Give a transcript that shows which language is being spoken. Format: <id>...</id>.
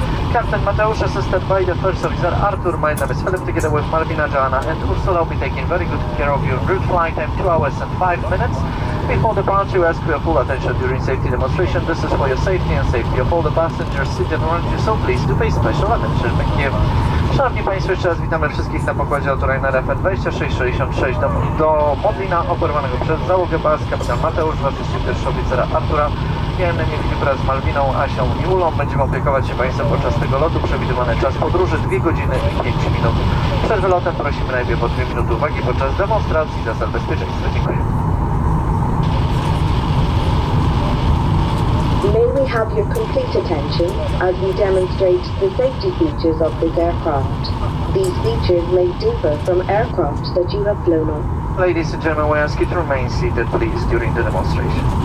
<en>Captain Mateusz, assisted by the first officer Artur. My name is Philip, together with Marvina Joanna and Ursula. I'll be taking very good care of your route flight time, 2 hours and 5 minutes. Before departure, we ask for your full attention during safety demonstration. This is for your safety and safety of all the passengers seated around you, so please do pay special attention. Thank you.</en> <pl>Szanowni Państwo, jeszcze raz witamy wszystkich na pokładzie lotu Ryanair FN 2666 do Modlina, operowanego przez załogę baz. Kapitan Mateusz, oczywiście pierwszy oficera Artura. Miałem na imię Filip wraz z Malwiną, Asią i Ulą. Będziemy opiekować się Państwem podczas tego lotu. Przewidywany czas podróży 2 godziny i 5 minut. Przed wylotem prosimy najpierw o 2 minuty uwagi podczas demonstracji zasad bezpieczeństwa. Dziękuję.</pl> <en>May we have your complete attention as we demonstrate the safety features of this aircraft. These features may differ from aircraft that you have flown on. Ladies and gentlemen, we ask you to remain seated, please, during the demonstration.</en>